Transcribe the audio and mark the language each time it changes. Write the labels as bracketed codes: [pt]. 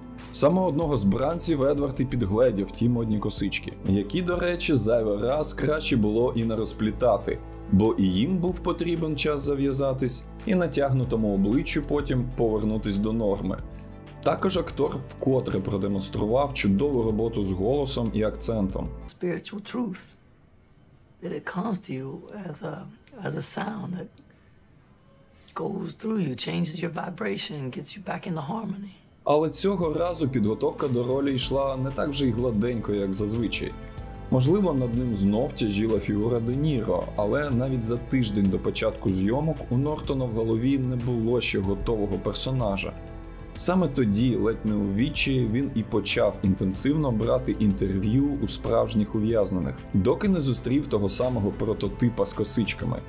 [uk] Саме одного з бранців Едвард і підгледів ті модні косички, які, до речі, зайвий раз краще було і не розплітати, бо і їм був потрібен час зав'язатись і натягнутому обличчю потім повернутись до норми. Також актор вкотре продемонстрував чудову роботу з голосом і акцентом. [en] Spiritual truth that it comes to you as a sound that goes through you, changes your vibration, gets you back into harmony. [uk] Але цього разу підготовка до ролі йшла не так вже й гладенько, як зазвичай. Можливо, над ним знов тяжіла фігура Де Ніро, але навіть за тиждень до початку зйомок у Нортона в голові не було ще готового персонажа. Саме тоді, ледь не у вічі, він і почав інтенсивно брати інтерв'ю у справжніх ув'язнених, доки не зустрів того самого прототипа з косичками.